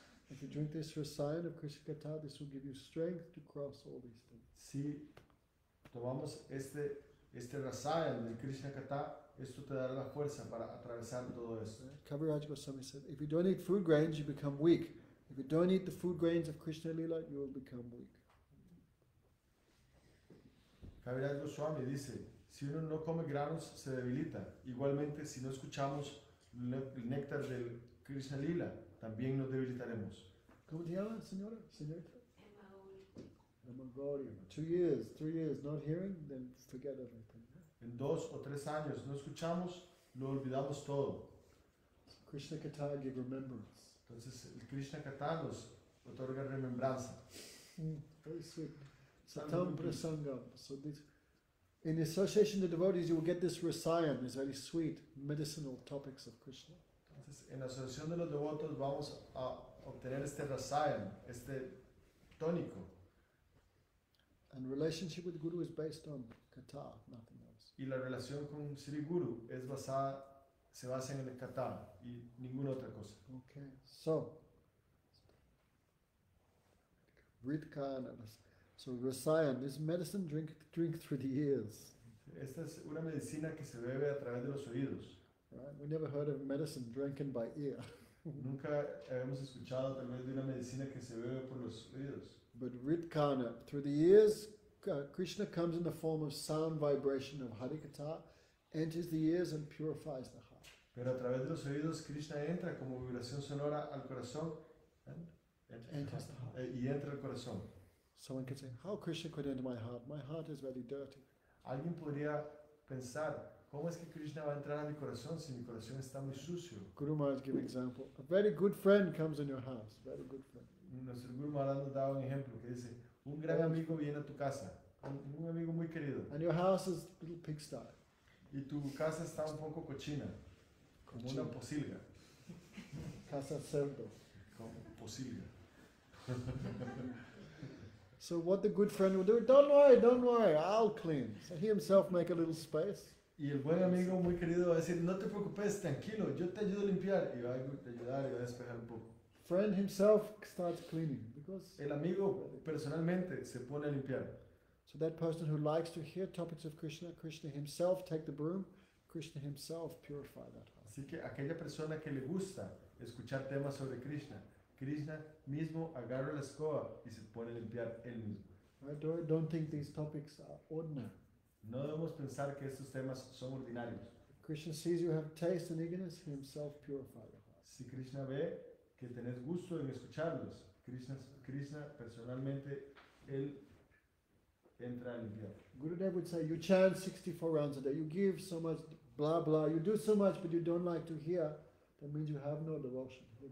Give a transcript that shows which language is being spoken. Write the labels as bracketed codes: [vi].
[en] If you drink this rasayan of Krishna Katha, this will give you strength to cross all these things. [es] Si tomamos este rasayan de Krishna Katha, esto te dará la fuerza para atravesar todo esto. [en] Kaviraj Goswami said, if you don't eat food grains, you become weak. If you don't eat the food grains of Krishna Lila, you will become weak. [es] Kaviraj Goswami dice, si uno no come granos, se debilita. Igualmente, si no escuchamos el néctar del Krishna Lila, también nos debilitaremos. ¿Cómo te llamas, señora? Señorita. Emma [en] Gaudium. 2 years, 3 years, not hearing, then forget everything. [es] En 2 o 3 años, no escuchamos, lo olvidamos todo. [en] Krishna Katha give remembrance. [es] Entonces, el Krishna Katha nos otorga remembranza. [en] Very sweet. Satam Prasangam. So this. In the association of the devotees, you will get this rasayan, these very sweet medicinal topics of Krishna. [es] Entonces, en la asociación de los devotos vamos a obtener este rasayan, este tónico. [en] And relationship with Guru is based on katha, nothing else. [es] Y la relación con Sri Guru es basada, se basa en el katha y ninguna otra cosa. [en] Okay, so Ritkarna. So rasayan, this medicine drink through the ears. [es] Esta es una medicina que se bebe a través de los oídos. [en] Right? We never heard of medicine drunken by ear. [es] Nunca hemos escuchado tal vez de una medicina que se bebe por los oídos. [en] But Ritkarna, through the ears, Krishna comes in the form of sound vibration of Harikatha, enters the ears and purifies the heart. [es] Pero a través de los oídos, Krishna entra como vibración sonora al corazón y entra al corazón. [en] Someone could say, how Krishna could enter my heart? My heart is very dirty. [es] Alguien podría pensar, ¿cómo es que Krishna va a entrar a mi corazón si mi corazón está muy sucio? [en] Guru Maharaj gave an example. A very good friend comes in your house. Very good friend. [es] Nuestro Guru Maharaj nos da un ejemplo que dice, un gran amigo viene a tu casa. Un amigo muy querido. [en] And your house is a little pigsty. [es] Y tu casa está un poco cochina. Como una pocilga. Casa cerdo. Como pocilga. [en] So what the good friend will do, don't worry, I'll clean. So he himself make a little space. [es] Y el buen amigo muy querido va a decir, no te preocupes, tranquilo, yo te ayudo a limpiar. Y va a ayudar y va a despejar un poco. [en] Friend himself starts cleaning. Because [es] el amigo personalmente se pone a limpiar. [en] So that person who likes to hear topics of Krishna himself take the broom, Krishna himself purify that heart. [es] Así que aquella persona que le gusta escuchar temas sobre Krishna, Krishna mismo agarra la escoba y se pone a limpiar él mismo. [en] Don't think these topics are ordinary. [es] No debemos pensar que estos temas son ordinarios. [en] Krishna sees you have taste and eagerness, he himself purifies your heart. [es] Si Krishna ve que tenés gusto en escucharlos, Krishna personalmente, él entra a limpiar. [en] Gurudev would say, you chant 64 rounds a day, you give so much, blah, blah, you do so much, but you don't like to hear, that means you have no devotion.